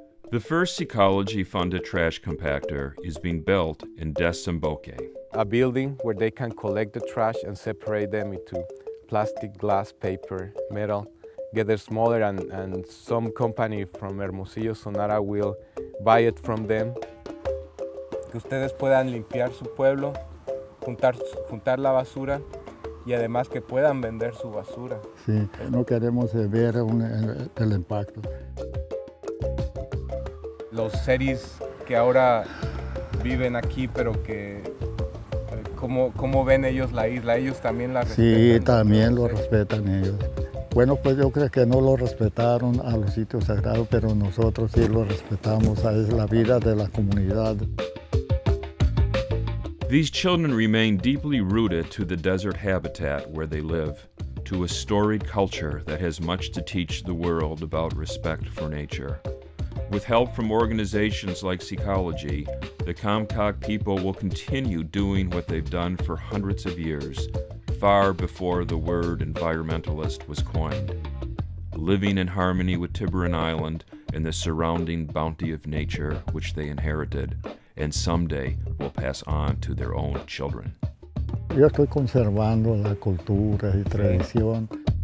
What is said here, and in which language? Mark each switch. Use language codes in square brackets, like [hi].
[en] The first Seacology-funded trash compactor is being built in Desemboque. A building where they can collect the trash and separate them into plastic, glass, paper, metal, get it smaller, and some company from Hermosillo, Sonora, will buy it from them. [es] Que ustedes puedan limpiar su pueblo, juntar la basura, y además que puedan vender su basura. Sí, no queremos ver el impacto. Los seris que ahora viven aquí, pero que ¿cómo ven ellos la isla? ¿Ellos también la respetan? Sí, también lo respetan ellos. Bueno, pues yo creo que no lo respetaron a los sitios sagrados, pero nosotros sí lo respetamos. Es la vida de la comunidad. [en] These children remain deeply rooted to the desert habitat where they live, to a storied culture that has much to teach the world about respect for nature. With help from organizations like Seacology, the Comcáac people will continue doing what they've done for hundreds of years, far before the word environmentalist was coined, living in harmony with Tiburon Island and the surrounding bounty of nature which they inherited, and someday will pass on to their own children. [es] Yo estoy conservando la cultura y tradición. Sí.